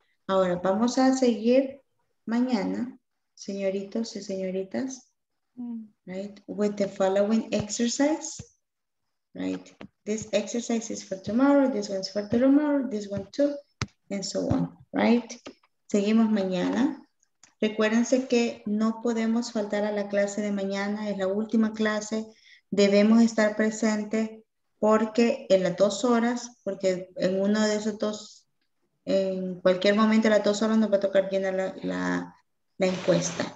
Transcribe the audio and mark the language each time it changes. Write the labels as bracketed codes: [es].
[es] Ahora, vamos a seguir mañana, señoritos y señoritas, [en] right? With the following exercise, right? This exercise is for tomorrow, this one's for tomorrow, this one too, and so on, right? [es] Seguimos mañana. Recuérdense que no podemos faltar a la clase de mañana, es la última clase. Debemos estar presentes porque en las dos horas, porque en uno de esos dos, en cualquier momento de las dos horas nos va a tocar llenar la encuesta.